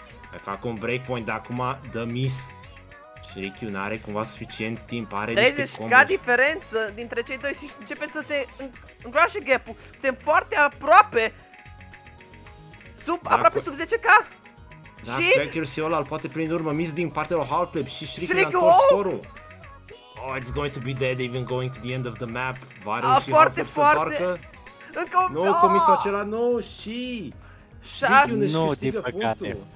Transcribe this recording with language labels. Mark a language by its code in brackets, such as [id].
[ro] Mai fac un breakpoint, dar acum dă miss. Shrikyun are cumva suficient timp, are niște combo. Ca diferență dintre cei doi și începe să se îngroașe gap-ul. Suntem foarte aproape. Aproape sub 10k. Da, și... accuracy-ul ăla îl poate prinde urmă. Miss din partea lui HowlPleb și Shrikyun a întors scorul. [en] Oh, it's going to be dead even going to the end of the map. [ro] Va reuși HowlPleb să parcă. Încă un... Nu, cu misul acela, nu, no, și... Shrikyun își câștigă punctul.